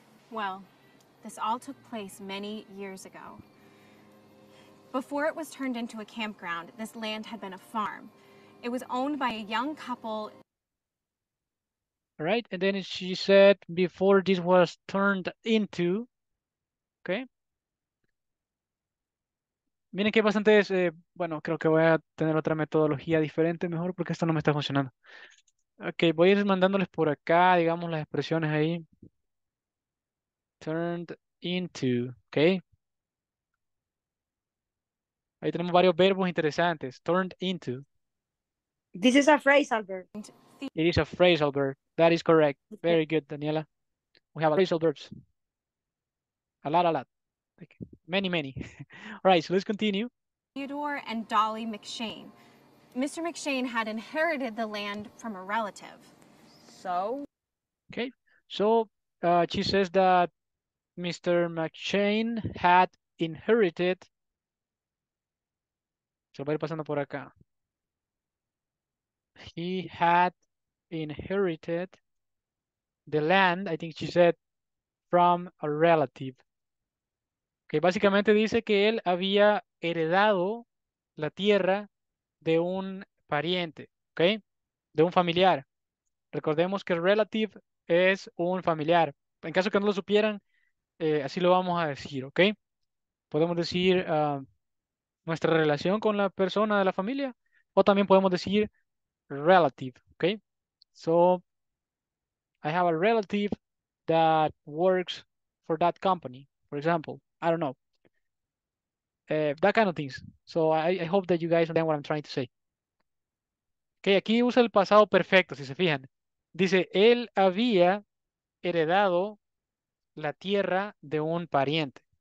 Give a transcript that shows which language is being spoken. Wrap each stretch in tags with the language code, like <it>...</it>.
<en>Well, this all took place many years ago. Before it was turned into a campground, this land had been a farm. It was owned by a young couple. Right, and then she said before this was turned into, okay.</en> <es>Miren que bastante es, bueno, creo que voy a tener otra metodología diferente mejor porque esto no me está funcionando. Okay, voy a ir mandándoles por acá, digamos, las expresiones ahí.</es> <en>Turned into, okay.</en> <es>Ahí tenemos varios verbos interesantes.</es> <en>Turned into. This is a phrase, Albert. It is a phrasal verb. That is correct. Okay. Very good, Daniela. We have a phrasal verbs. A lot. Like many, many. All right, so let's continue. Theodore and Dolly McShane. Mr. McShane had inherited the land from a relative. So? Okay. So she says that Mr. McShane had inherited.</en> <es>So va a ir pasando por acá.</es> <en>He had inherited the land, I think she said, from a relative.</en> <es>Okay, básicamente dice que él había heredado la tierra de un pariente, okay, de un familiar. Recordemos que relative es un familiar. En caso que no lo supieran, así lo vamos a decir, okay. Podemos decir, nuestra relación con la persona de la familia. O también podemos decir relative, okay?</es> <en>So, I have a relative that works for that company, for example. I don't know. That kind of things. So, I hope that you guys understand what I'm trying to say.</en> <es>Okay, aquí usa el pasado perfecto, si se fijan. Dice, él había heredado la tierra de un pariente.</es>